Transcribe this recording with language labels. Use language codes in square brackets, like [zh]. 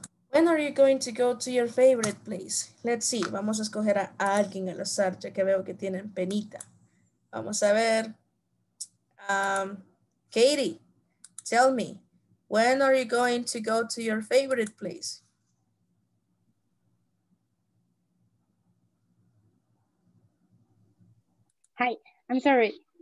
[en] When are you going to go to your favorite place? Let's see. [es] Vamos a escoger a alguien al azar, ya que veo que tienen penita. Vamos a ver. [en] Katie, tell me, when are you going to go to your favorite place? Hi, I'm sorry.